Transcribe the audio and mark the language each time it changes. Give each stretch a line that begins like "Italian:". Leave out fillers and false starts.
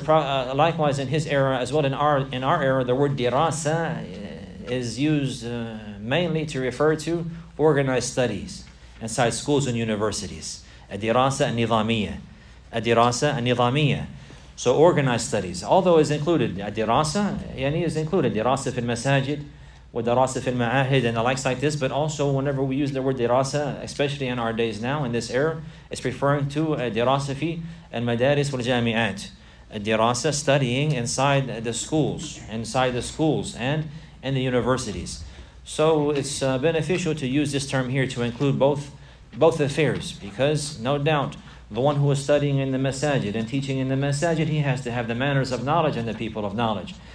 English: Likewise, in his era as well, in our era, the word dirasa is used mainly to refer to organized studies inside schools and universities. A dirasa nizamiya,
Arabic: الدراسة النظامية.
English: So organized studies, although is included.
Arabic: الدراسة يعني
English: is included.
Arabic: دراسة في المساجد ودراسة في المعاهد
English: and the likes like this. But also whenever we use the word دراسة, especially in our days now in this era, it's referring to
Arabic: دراسة في المدارس والجامعات.
English: الدراسة studying inside the schools, and in the universities. So it's beneficial to use this term here to include both affairs, because no doubt the one who is studying in the masajid and teaching in the masajid, he has to have the manners of knowledge and the people of knowledge.